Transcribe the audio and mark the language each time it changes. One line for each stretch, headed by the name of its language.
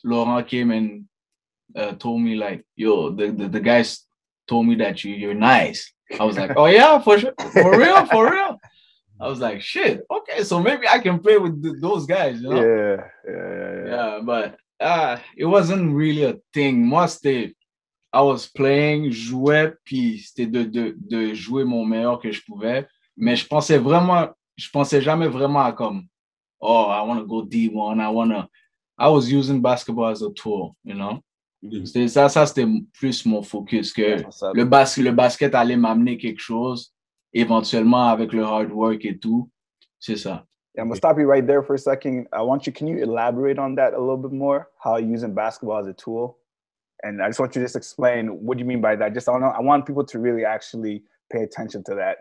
English: Laurent came and told me, like, yo, the guys told me that you're nice. I was like, oh yeah, for sure, for real. I was like, shit, okay, so maybe I can play with those guys, you know? Yeah. But it wasn't really a thing.
French: Moi, c'était,
English: I was playing,
French: jouais, puis c'était de jouer mon meilleur que je pouvais. Mais je pensais jamais vraiment à comme,
English: oh, I want to go D1, I was using basketball as a tool, you know? Mm-hmm.
French: Ça, c'était plus mon focus que le basket allait m'amener quelque chose.
English: Eventually, with the hard work and too,
French: c'est ça.
English: Yeah, I'm gonna stop you right there for a second. I want you. Can you elaborate on that a little bit more? How using basketball as a tool, and I just want you to just explain what you mean by that. Just, I don't know. I want people to really actually pay attention to that.